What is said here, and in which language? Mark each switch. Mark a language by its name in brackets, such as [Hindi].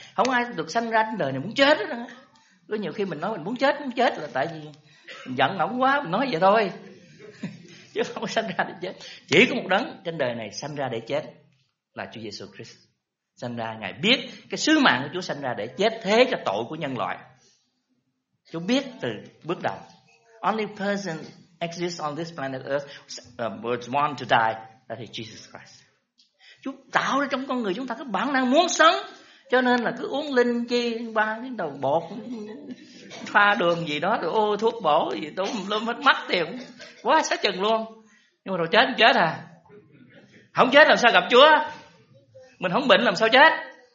[Vietnamese] Không ai được sanh ra trên đời này muốn chết đó. Có nhiều khi mình nói mình muốn chết là tại vì mình giận ổng quá, mình nói vậy thôi. Chứ không có sanh ra để chết. Chỉ có một đấng trên đời này sanh ra để chết là Chúa Giêsu Christ. Sanh ra, Ngài biết cái sứ mạng của Chúa sanh ra để chết thế cho tội của nhân loại. Chúa biết từ bước đầu. [English] Only person exists on this planet earth was born to die, that is Jesus Christ. [Vietnamese] Chúa tạo ra trong con người chúng ta cái bản năng muốn sống, cho nên là cứ uống linh chi ba cái đầu bột, pha đường gì đó rồi ô thuốc bổ gì tốn lum hết mắt tiền quá sát chừng luôn, nhưng mà rồi chết chết à, không chết làm sao gặp Chúa, mình không bệnh làm sao chết.